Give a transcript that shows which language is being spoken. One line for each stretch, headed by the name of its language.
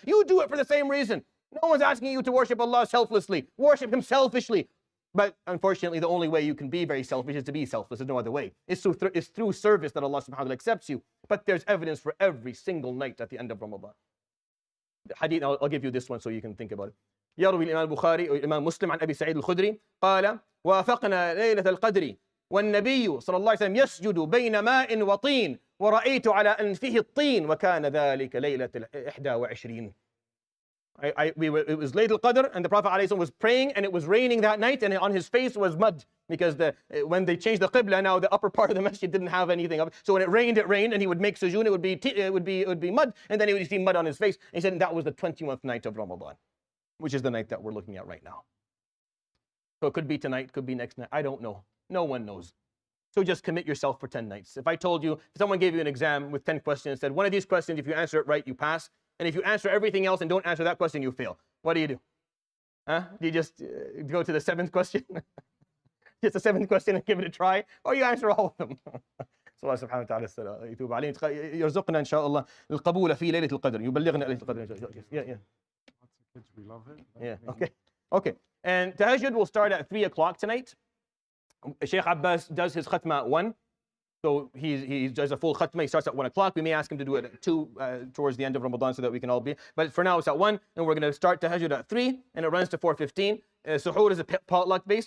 English: You do it for the same reason. No one's asking you to worship Allah selflessly. Worship Him selfishly. But unfortunately, the only way you can be very selfish is to be selfless. There's no other way. It's through service that Allah subhanahu wa ta'ala accepts you. But there's evidence for every single night at the end of Ramadan. The hadith, I'll give you this one so you can think about it.
Arabic: يروي الإمام البخاري أو الإمام مسلم عن أبي سعيد الخدري قال وافقنا ليلة القدر والنبي صلى الله عليه وسلم يسجد بين ماء وطين ورأيت على أنفه الطين وكان ذلك ليلة 21.
English: It was Laylatul Qadr and the Prophet
Arabic: عليه الصلاة والسلام
English: was praying and it was raining that night and on his face was mud because when they changed the qibla, now the upper part of the masjid didn't have anything up. So when it rained and he would make sujoon, it would be mud, and then he would see mud on his face. And he said that was the 21th night of Ramadan, which is the night that we're looking at right now. So it could be tonight, could be next night. I don't know. No one knows. So just commit yourself for 10 nights. If I told you, if someone gave you an exam with 10 questions, said one of these questions, if you answer it right, you pass. And if you answer everything else and don't answer that question, you fail. What do you do? Huh? Do you just go to the seventh question? Just the seventh question and give it a try? Or you answer all of them? So Allah subhanahu wa ta'ala said,
Arabic: يتوب علينا يرزقنا إن شاء الله القبول في ليلة القدر يبلغنا ليلة القدر.
English: Yeah. We love it. Okay. And tahajjud will start at 3 o'clock tonight. Sheikh Abbas does his khatma at 1. So he does a full khatma. He starts at 1 o'clock. We may ask him to do it at 2 towards the end of Ramadan so that we can all be. But for now, it's at 1. And we're going to start tahajjud at 3. And it runs to 4:15. Suhoor is a potluck base.